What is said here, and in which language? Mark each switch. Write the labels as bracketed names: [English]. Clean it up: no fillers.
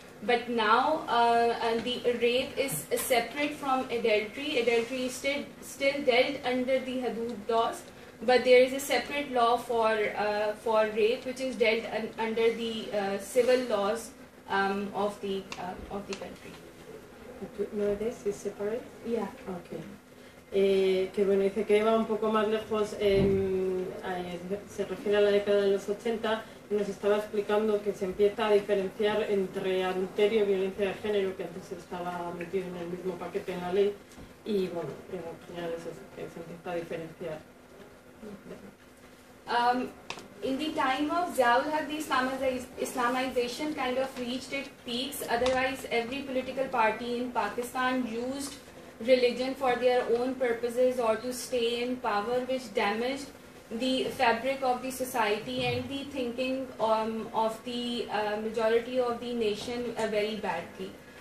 [English] But now the rape is separate from adultery. Adultery is still dealt under the Hudood laws, but there is a separate law for rape, which is dealt under the civil laws of the country. Nowadays is separate. Yeah. Okay. [Spanish] Que bueno, dice que va un poco más lejos, se refiere a la década de los 80, y nos estaba explicando que se empieza a diferenciar entre adulterio y violencia de género, que antes estaba metido en el mismo paquete en la ley, y bueno, en general es eso, que se empieza a diferenciar. [English] In the time of Ziaul-Haq, the Islamization kind of reached its peaks, otherwise every political party in Pakistan used religion for their own purposes or to stay in power, which damaged the fabric of the society and the thinking of the majority of the nation very badly.